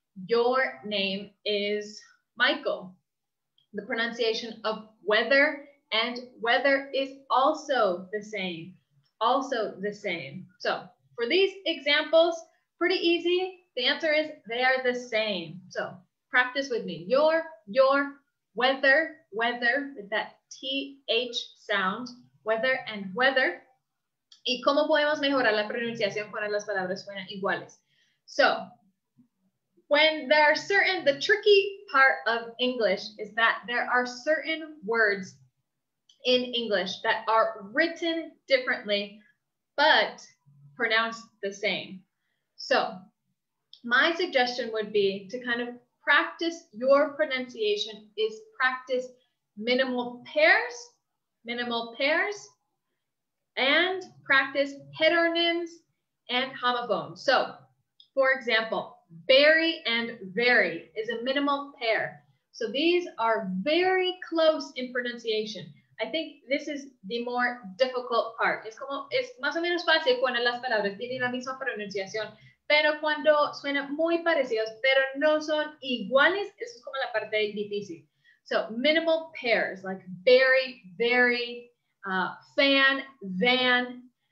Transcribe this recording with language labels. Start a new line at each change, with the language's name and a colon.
English: Your name is Michael. The pronunciation of weather and weather is also the same. Also the same. So for these examples, pretty easy. The answer is they are the same. So practice with me. Your, weather, weather, with that TH sound, weather and weather.
Spanish: ¿Y cómo podemos mejorar la pronunciación para las palabras suenan iguales?
English: So, when there are certain, the tricky part of English is that there are certain words in English that are written differently, but pronounced the same. So, my suggestion would be to kind of practice your pronunciation is practice minimal pairs, and practice heteronyms and homophones. So, for example, berry and very is a minimal pair. So these are very close in pronunciation. I think this is the more difficult part.
Spanish: Es como, es más o menos fácil cuando las palabras tienen la misma pronunciación, pero cuando suenan muy parecidas, pero no son iguales, eso es como la parte difícil.
English: So minimal pairs, like berry, very, fan, van.